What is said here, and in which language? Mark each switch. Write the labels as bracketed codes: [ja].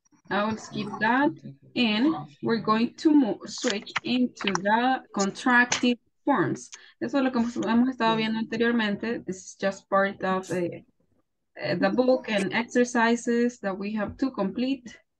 [en] I will skip that, and we're going to switch into the contractive forms. [es] Eso es lo que hemos estado viendo anteriormente. [en] This is just part of the book and exercises that we have to complete.